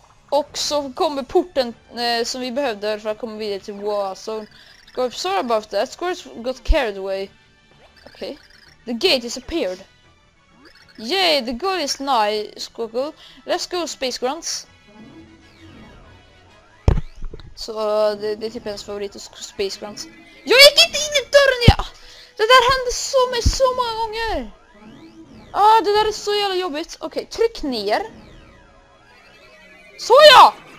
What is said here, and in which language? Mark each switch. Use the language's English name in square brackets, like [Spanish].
[Swedish] Och så kommer porten som vi behövde för att komma vidare till WoW. [English] So, Squirt, sorry about that. Squirt got carried away. Okej. Okay. The gate disappeared. Yay, the goal is nigh, Squiggle. Let's go Space Grunts. [Swedish] Så det är typ ens favorit hos Space Grunts. Jag gick inte in i dörren! Det där hände så mig så många gånger! Ah, det där är så jävla jobbigt. Okej, okay, tryck ner. Så ja!